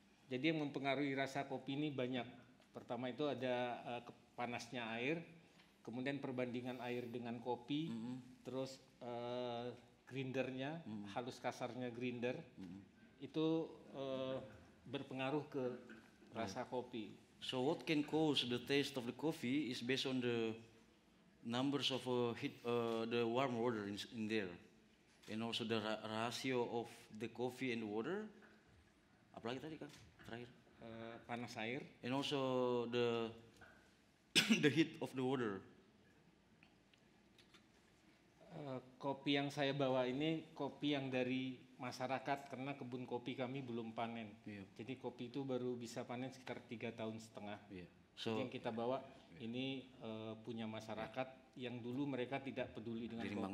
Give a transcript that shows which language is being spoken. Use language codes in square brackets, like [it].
[id] Jadi yang mempengaruhi rasa kopi ini banyak. Pertama itu ada panasnya air, kemudian perbandingan air dengan kopi, terus grindernya, halus kasarnya grinder, itu berpengaruh ke rasa kopi. [en] So what can cause the taste of the coffee is based on the numbers of the warm water in there, and also the ratio of the coffee and water. [id] Apa lagi tadi kak? Terakhir. Panas air. [en] And also the the heat of the water. [id] Kopi yang saya bawa ini kopi yang dari masyarakat karena kebun kopi kami belum panen. [en] Yeah. [id] Jadi kopi itu baru bisa panen sekitar 3 tahun setengah. [en] Yeah. [id] So, yang kita bawa ini punya masyarakat yang dulu mereka tidak peduli dengan kopi.